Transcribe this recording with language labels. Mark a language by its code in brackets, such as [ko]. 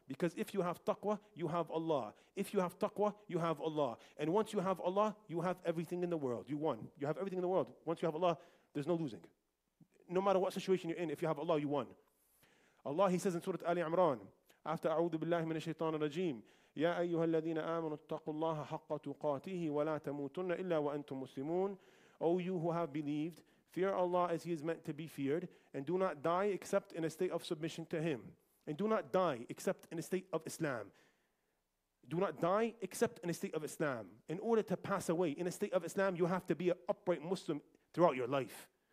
[en] Because if you have taqwa, you have Allah. If you have taqwa, you have Allah. And once you have Allah, you have everything in the world. You won. You have everything in the world. Once you have Allah, there's no losing. No matter what situation you're in, if you have Allah, you won. Allah, he says in Surah Ali Imran, after [ar] A'udhu Billahi Minash Shaitan Rajeem, يا أيها الذين آمنوا اتقوا الله حق تقاته ولا تموتن إلا وأنتم مسلمون. [en] O you who have believed, fear Allah as He is meant to be feared, and do not die except in a state of submission to Him. And do not die except in a state of Islam. Do not die except in a state of Islam. In order to pass away in a state of Islam, you have to be an upright Muslim throughout your life.